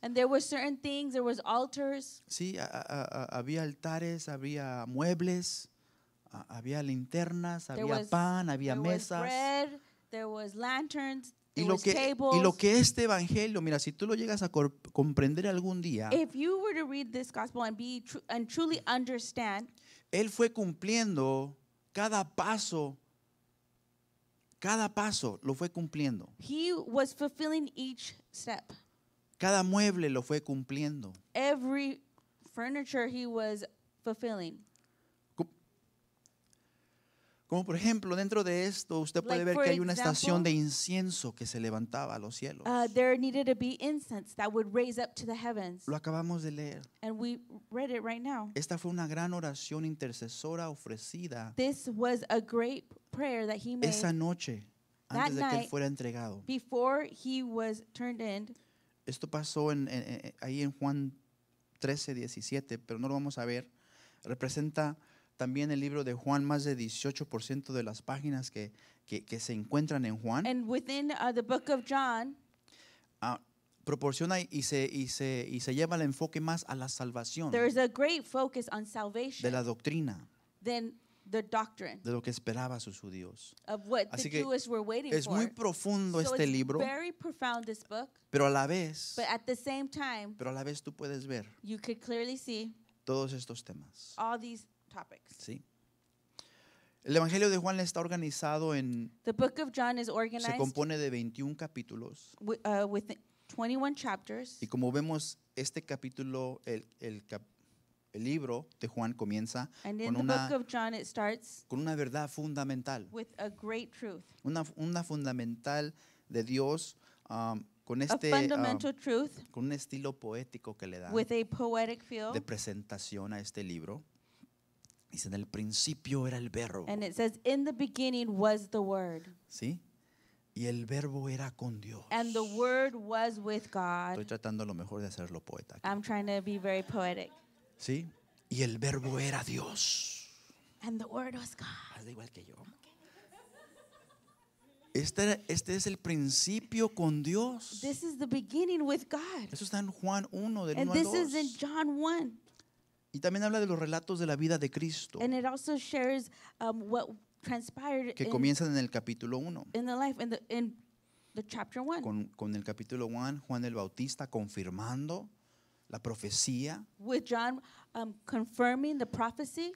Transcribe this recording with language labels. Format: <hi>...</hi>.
<en>And there were certain things, there was altars.</en> <es>Sí, había altares, había muebles, había linternas, había pan, había</es> <en>there</en> <es>mesas.</es> <en>Was bread, there was lanterns.</en> <es>Y lo, que, y lo que este evangelio, mira, si tú lo llegas a comprender algún día,</es> <en>if you were to read this gospel and be and truly understand,</en> <es>él fue cumpliendo cada paso lo fue cumpliendo.</es> <en>He was fulfilling each step.</en> <es>Cada mueble lo fue cumpliendo.</es> <en>Every furniture he was fulfilling.</en> <es>Como por ejemplo, dentro de esto, usted puede</es> <en>like</en> <es>ver que hay una</es> <en>example,</en> <es>estación de incienso que se levantaba a los cielos.</es> <en>There needed to be incense that would raise up to the heavens.</en> <es>Lo acabamos de leer.</es> <en>And we read it right now.</en> <es>Esta fue una gran oración intercesora ofrecida.</es> <en>This was a great prayer that he made.</en> <es>Esa noche, antes de que él fuera entregado.</es> <en>Before he was turned in.</en> <es>Esto pasó ahí en Juan 13:17, pero no lo vamos a ver. Representa también el libro de Juan, más de 18% de las páginas que se encuentran en Juan.</es> <en>And within the book of John,</en> <es>proporciona y se lleva el enfoque más a la salvación.</es> <en>There is a great focus on salvation.</en> <es>De la doctrina.</es> <en>Than the doctrine.</en> <es>De lo que esperaba sus judíos.</es> <en>Of what Así the Jews were waiting</en> <es>es</es> <en>for.</en> <es>Es muy profundo</es> <en>so</en> <es>este</es> <en>it's</en> <es>libro.</es> <en>Very profound, this book.</en> <es>Pero a la vez.</es> <en>But at the same time.</en> <es>Pero a la vez tú puedes ver.</es> <en>You could clearly see.</en> <es>Todos estos temas.</es> <en>All these topics.</en> <es>Sí. El Evangelio de Juan está organizado en</es> <en>The book of John is organized.</en> <es>Se compone de 21 capítulos.</es> <en>With 21 chapters.</en> <es>Y como vemos, este capítulo el libro de Juan comienza</es> <en>and</en> <es>con</es> <en>in</en> <es>una</es> <en>the book of John it starts</en> <es>con una verdad fundamental.</es> <en>With a great truth.</en> <es>Una fundamental de Dios con este</es> <en>a fundamental truth.</en> <es>Con un estilo poético que le da.</es> <en>With a poetic feel.</en> <es>De presentación a este libro. Dice, en el principio era el verbo.</es> <en>And it says, in the beginning was the word.</en> <es>¿Sí? Y el verbo era con Dios.</es> <en>And the word was with God.</en> <es>Estoy tratando lo mejor de hacerlo poeta. Aquí.</es> <en>I'm trying to be very poetic.</en> <es>¿Sí? Y el verbo era Dios.</es> <en>And the word was God.</en> <es>Hazle igual que yo. Este es el principio con Dios.</es> <en>This is the beginning with God.</en> <es>Eso está en Juan 1, del 1 al 2.</es> <en>And this is in John 1.</en> <es>Y también habla de los relatos de la vida de Cristo.</es> <en>And it also shares what transpired</en> <es>que comienzan en el capítulo 1.</es> <en>In the life, in the chapter 1.</en> <es>Con el capítulo 1, Juan el Bautista confirmando la profecía.</es> <en>With John confirming the prophecy.</en>